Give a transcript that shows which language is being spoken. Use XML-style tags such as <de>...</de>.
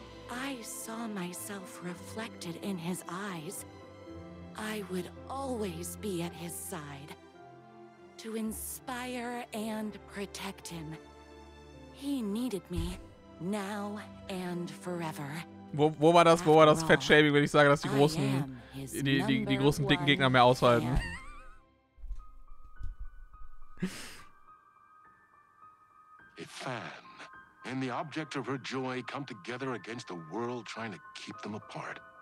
<en>I saw myself reflected in his eyes. I would always be at his side to inspire and protect him. He needed me now and forever.</en> <de>Wo war das? Wo war das Fettshaming, wenn ich sage, dass die großen dicken Gegner mehr aushalten?</de> <en>Ethan and the object of her joy come together against the world trying to keep them apart.</en>